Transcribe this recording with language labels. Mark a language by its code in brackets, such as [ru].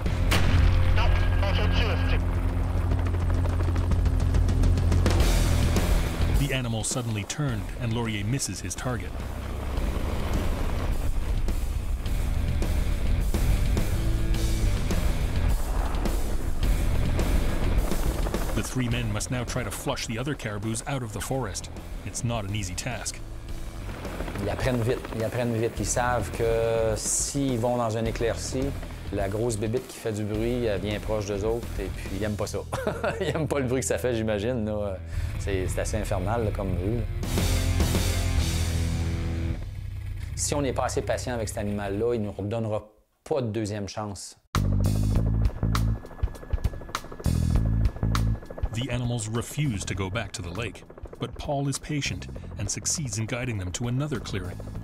[en] The animal suddenly turned, and Laurier misses his target. The three men must now try to flush the other caribous out of the forest. It's not an easy task. [fr] Ils apprennent vite. Ils savent que s'ils vont dans un éclaircie, la grosse bébite qui fait du bruit, elle vient proche d'eux autres, et puis ils aiment pas ça. Ils aiment pas le bruit que ça fait, j'imagine. C'est assez infernal, là, comme bruit. Là. Si on n'est pas assez patient avec cet animal-là, il nous redonnera pas de deuxième chance. [en] The animals refuse to go back to the lake. But Paul is patient and succeeds in guiding them to another clearing.